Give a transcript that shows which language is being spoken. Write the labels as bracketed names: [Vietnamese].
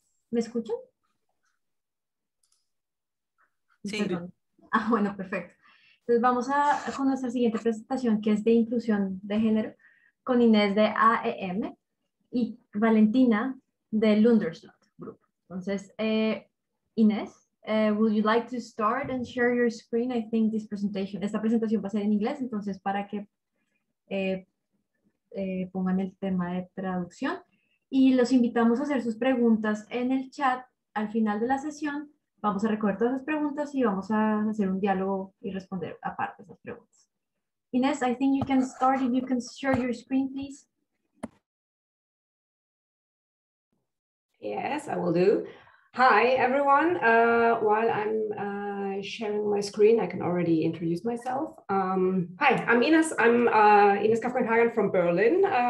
[Spanish] ¿Me escuchan? Sí. Perdón. Ah, bueno, perfecto. Entonces vamos a con nuestra siguiente presentación, que es de inclusión de género, con Inés de AEM y Valentina de Lunderslot Group. Entonces, [English] Inés, would you like to start and share your screen? I think this presentation, [Spanish] esta presentación va a ser en inglés, entonces para que pongan el tema de traducción. Y los invitamos a hacer sus preguntas en el chat al final de la sesión. Vamos a recoger todas las preguntas y vamos a hacer un diálogo y responder aparte esas preguntas. [English] Inés, I think you can start if you can share your screen, please. Yes, I will do. Hi, everyone. While I'm sharing my screen, I can already introduce myself. Hi, I'm Ines. I'm Ines Kafkan-Hagen from Berlin.